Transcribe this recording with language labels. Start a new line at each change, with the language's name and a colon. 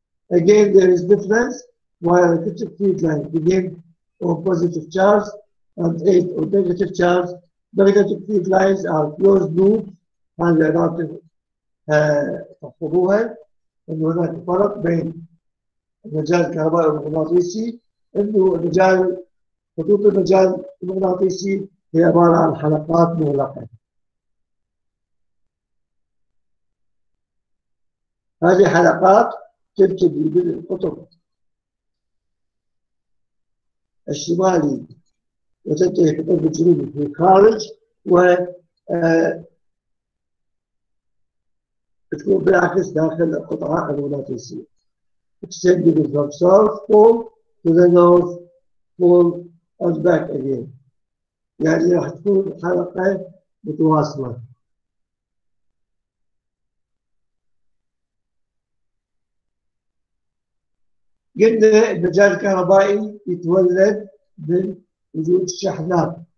English: Again, there is difference. While electric field lines begin on positive charge and end on negative charge, magnetic field lines are closed loops and they are not comfortable. And we have a product between
Arabic: المجال الكهربائي والمغناطيسي. إنه المجال خطوط المجال المغناطيسي هي عبارة عن حلقات مغلقة. هذه حلقات تبتدي من القطب الشمالي وتنتهي القطب الجنوبي في الخارج، و تكون بالعكس داخل القطعة المغناطيسية.
English: Extending from south pole to the north pole and back again.
Arabic: يعني راح تكون حلقة متواصلة. قلنا المجال الكهربائي يتولد من وجود الشحنات.